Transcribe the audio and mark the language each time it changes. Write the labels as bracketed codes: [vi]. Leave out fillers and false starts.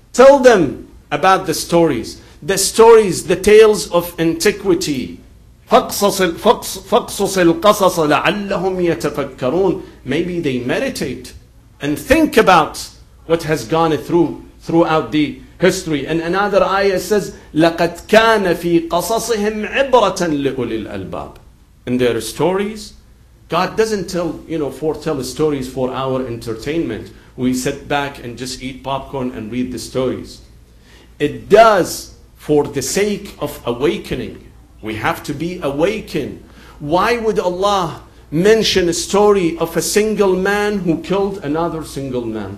[en] Tell them about the stories. The stories, the tales of antiquity. [ar] فَقْصَصُ الْقَصَصَ لَعَلَّهُمْ يَتَفَكَّرُونَ. [en] Maybe they meditate and think about what has gone through throughout the history. And another ayah says, [ar] لَقَدْ كَانَ فِي قَصَصِهِمْ عِبْرَةً لِأُولِي الْأَلْبَابِ. [en] In their stories, God doesn't tell, you know, foretell stories for our entertainment. We sit back and just eat popcorn and read the stories. It does for the sake of awakening. We have to be awakened. Why would Allah mention a story of a single man who killed another single man?